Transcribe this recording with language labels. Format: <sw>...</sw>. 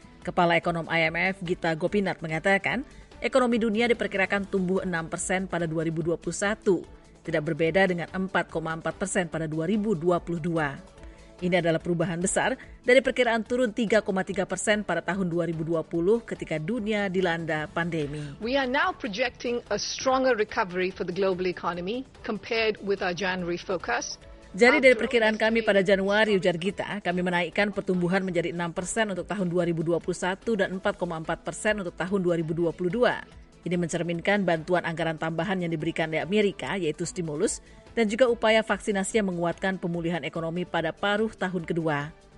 <id>Kepala ekonom IMF Gita Gopinath mengatakan, ekonomi dunia diperkirakan tumbuh 6% pada 2021, tidak berbeda dengan 4,4% pada 2022. Ini adalah perubahan besar dari perkiraan turun 3,3% pada tahun 2020 ketika dunia dilanda pandemi.</id> <en>We are now projecting a stronger recovery for the global economy compared with our January forecast.</en> <id>Jadi dari perkiraan kami pada Januari, ujar Gita, kami menaikkan pertumbuhan menjadi 6% untuk tahun 2021 dan 4,4% untuk tahun 2022. Ini mencerminkan bantuan anggaran tambahan yang diberikan di Amerika, yaitu stimulus, dan juga upaya vaksinasi yang menguatkan pemulihan ekonomi pada paruh tahun kedua.</id>